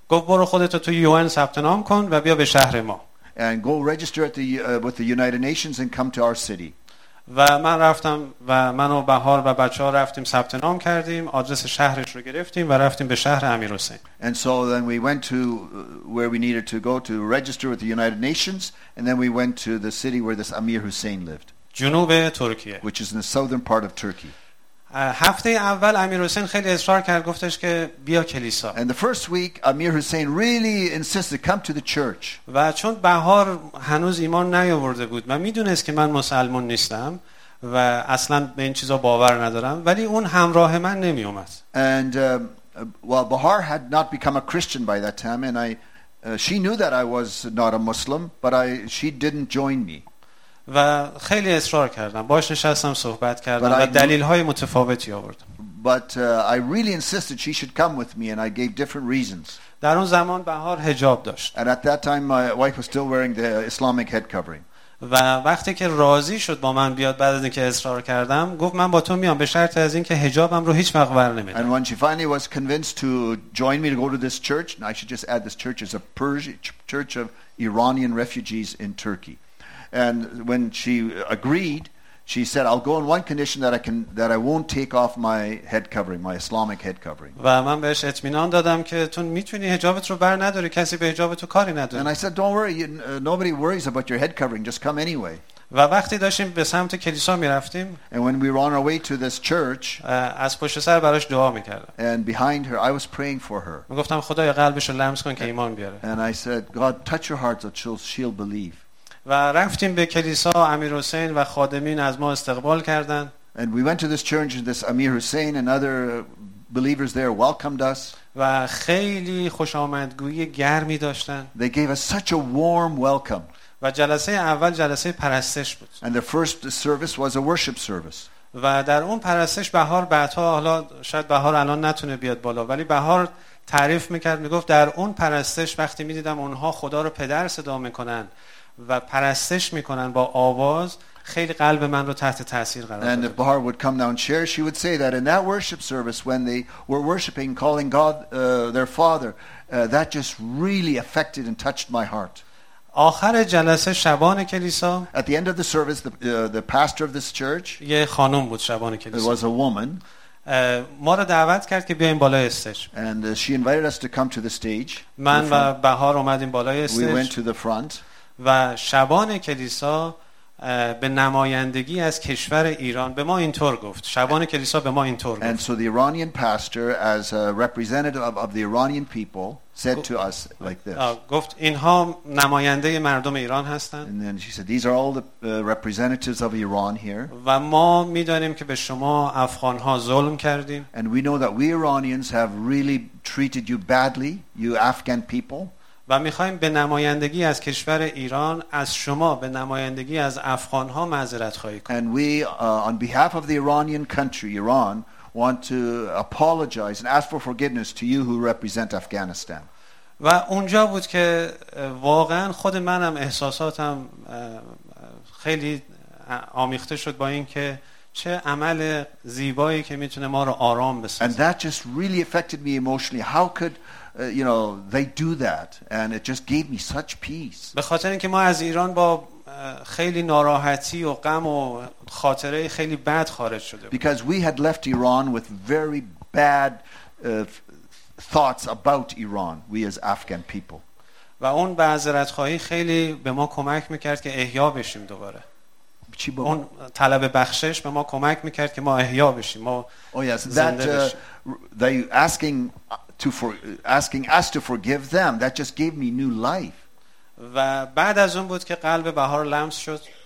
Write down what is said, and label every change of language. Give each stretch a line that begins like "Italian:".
Persian: گفت برو خودتو تو UN ثبت نام کن و بیا به شهر ما.
English: And go register at the with the United Nations and come to our city.
Persian: و من رفتم و من و بهار و بچه ها رفتیم ثبت نام کردیم، آدرس شهرش رو گرفتیم و رفتیم به شهر امیر حسین.
English: And so then we went to where we needed to go to register with the United Nations and then we went to the city where this Amir Hussein lived.
Persian: جنوب ترکیه.
English: Which is in the southern part of Turkey.
Persian: هفته اول امیر حسین خیلی اصرار کرد، گفتش که بیا کلیسا.
English: And the first week Amir Hussein really insisted come to the church.
Persian: و چون بهار هنوز ایمان نیاورده بود و میدونست که من مسلمان نیستم و اصلا به این چیزا باور ندارم، ولی اون همراه من نمی اومد.
English: And well Bahar had not become a Christian by that time and she knew that I was not a Muslim but she didn't join me.
Persian: و خیلی اصرار کردم باش نشستم صحبت کردم و دلیل های متفاوتی آوردم
English: but I really insisted she should come with me and I gave different reasons
Persian: در اون زمان بهار حجاب داشت
English: and at that time my wife was still wearing the Islamic head covering
Persian: و وقتی که راضی شد با من بیاد بعد از اینکه اصرار کردم گفت من با تو میام به شرط از اینکه حجابم رو هیچ وقت ور نمیدم
English: and when she finally was convinced to join me to go to this church and I should just add this church is a Persian church of Iranian refugees in Turkey and when she agreed she said I'll go on one condition that I can that I won't take off my head covering my Islamic head covering
Persian: و من بهش اطمینان دادم که تو میتونی حجابت رو بر نداری کسی به حجابت کاری نداره
English: and I said don't worry nobody worries about your head covering just come anyway
Persian: و وقتی داشتیم به سمت کلیسا میرفتیم
English: and when we were on our way to this church
Persian: از پشت سر براش دعا میکردم
English: and behind her I was praying for her
Persian: میگفتم خدایا قلبش رو لمس کن که ایمان بیاره
English: and I said God touch her heart so she'll believe
Persian: و رفتیم به کلیسا امیر حسین و خادمین از ما استقبال کردن
English: and we went to this church and this Amir Hussein and other believers there welcomed us
Persian: و خیلی خوش آمدگویی گرمی داشتن
English: they gave us such a warm welcome
Persian: و جلسه اول جلسه پرستش بود
English: and the first service was a worship service
Persian: و در اون پرستش بهار بعدها حالا شاید بهار الان نتونه بیاد بالا ولی بهار تعریف میکرد میگفت در اون پرستش وقتی میدیدم اونها خدا رو پدر صدا میکنن و پرستش میکنن با آواز خیلی قلب من رو تحت تاثیر قرار داد.
English: And if Bahar would come down and share, she would say that in that worship service when they were worshiping calling God their father that just really affected and touched my heart.
Persian: آخر جلسه شبان کلیسا
English: At the end of the service the pastor of this church
Persian: یه خانم بود شبان کلیسا.
English: It was a woman.
Persian: ما را دعوت کرد که بیایم بالای استیج.
English: And she invited us to come to the stage.
Persian: من و بهار اومدیم بالای استیج.
English: We went to the front.
Persian: و شبان کلیسا به نمایندگی از کشور ایران به ما اینطور گفت شبان کلیسا به ما اینطور گفت
English: And so the Iranian pastor as a representative of the Iranian people said to us like this
Persian: گفت اینها نماینده مردم ایران هستند
English: And then she said these are all the representatives of Iran here
Persian: و ما میدانیم که به شما افغان ها ظلم کردیم
English: And we know that we Iranians have really treated you badly you Afghan people
Persian: و می‌خوایم به نمایندگی از کشور ایران از شما به نمایندگی از افغان‌ها معذرت خواهی کنیم.
English: And we on behalf of the Iranian country Iran want to apologize and ask for forgiveness to you who represent Afghanistan.
Persian: و اونجا بود که واقعاً خود منم احساساتم خیلی آمیخته شد با اینکه چه عمل زیبایی که می‌تونه ما رو آرام بسازه.
English: And that just really affected me emotionally. How could you know they do that and it just gave me such peace
Persian: به خاطر اینکه ما از ایران با خیلی ناراحتی و غم و خاطره خیلی بد خارج شده بود.
English: Because we had left Iran with very bad thoughts about Iran we as Afghan people
Persian: و اون معذرت‌خواهی خیلی به ما کمک می‌کرد که احیا بشیم دوباره اون طلب بخشش به ما کمک می‌کرد که ما احیا بشیم ما زنده بشیم
English: they asking to for asking us to forgive them that just gave me new life
Persian: و بعد از اون بود که قلب بهار لمس شد